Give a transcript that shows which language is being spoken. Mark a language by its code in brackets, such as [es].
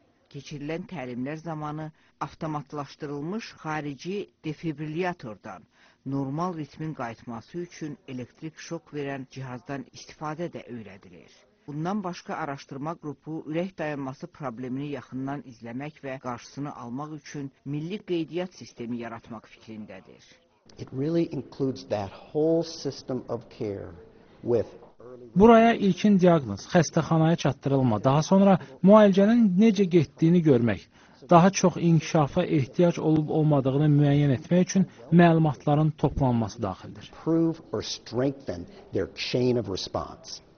[az] keçirilən təlimlər zamanı avtomatlaşdırılmış xarici defibrilyatordan, normal ritmin qayıtması üçün elektrik şok verən cihazdan istifadə də öyrədilir. Bundan başqa araşdırma qrupu ürək dayanması problemini yaxından izləmək və qarşısını almaq üçün milli qeydiyyat sistemi yaratmaq fikrindədir. [en] It really includes that whole system of care with [az] Buraya ilkin diaqnoz, xəstəxanaya çatdırılma, daha sonra müalicənin necə getdiyini görmək, daha çox inkişafa ehtiyac olub-olmadığını müəyyən etmək üçün məlumatların toplanması daxildir. [en] Prove or strengthen their chain of response.